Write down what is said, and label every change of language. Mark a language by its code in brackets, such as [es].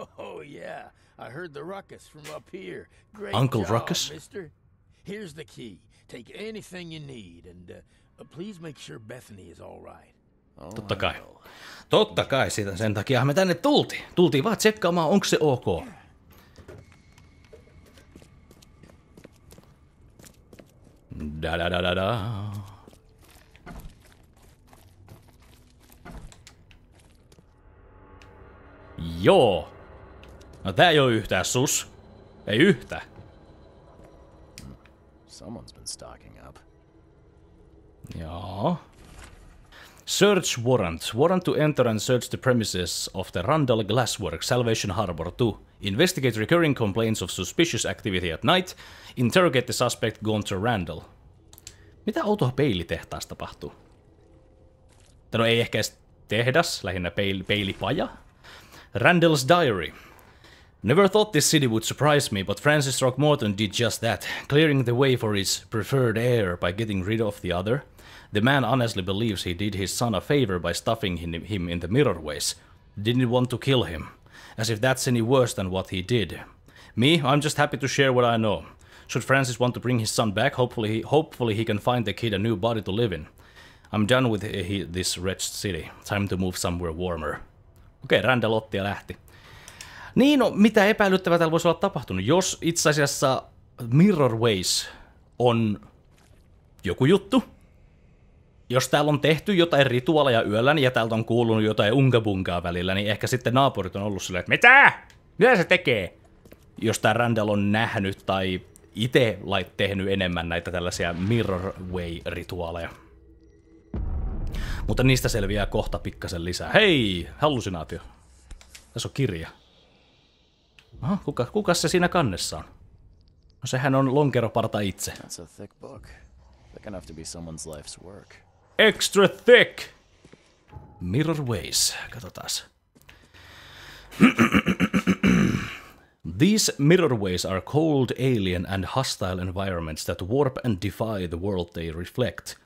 [en] Oh yeah, I heard the ruckus from up here. Great Uncle job, Ruckus. Mister. Here's the key. Take anything you need and please make sure Bethany is all right. [fi] Totta kai. Totta kai, siitä sen takia me tänne tultiin. Tultiin vaan tsekkaamaan, onko se ok. Da-da-da-da-da. Joo. No tää ei oo yhtään sus. Ei yhtä. [en] Someone's been stocking up. Joo. Search warrant. Warrant to enter and search the premises of the Randall Glassworks, Salvation Harbor 2. Investigate recurring complaints of suspicious activity at night. Interrogate the suspect Gunter Randall. [fi] Mitä outoa peilitehtaassa tapahtuu? Tää no ei ehkä edes tehdas, lähinnä peilipaja. [en] Randall's diary. Never thought this city would surprise me, but Francis Throckmorton did just that, clearing the way for his preferred heir by getting rid of the other. The man honestly believes he did his son a favor by stuffing him in the mirror ways. Didn't want to kill him. As if that's any worse than what he did. Me, I'm just happy to share what I know. Should Francis want to bring his son back, hopefully he can find the kid a new body to live in. I'm done with this wretched city. Time to move somewhere warmer. [fi] Okei, Randall otti ja lähti. Niin, no, mitä epäilyttävää täällä voisi olla tapahtunut, jos itse asiassa mirror ways on joku juttu? Jos täällä on tehty jotain rituaaleja yöllä, niin ja täältä on kuulunut jotain unkabunkaa välillä, niin ehkä sitten naapurit on ollut silleen, että mitä? Mitä se tekee? Jos tää Randall on nähnyt tai itse tehnyt enemmän näitä tällaisia mirror way -rituaaleja. Mutta niistä selviää kohta pikkasen lisää. Hei, hallusinaatio. Tässä on kirja. Aha, kuka se siinä kannessa on? No sehän on lonkeroparta itse. [en] That's a thick book. That can have to be someone's life's work. Extra thick! Mirror ways. [fi] Katsotaas. [en] These mirror ways are cold, alien and hostile environments that warp and defy the world they reflect.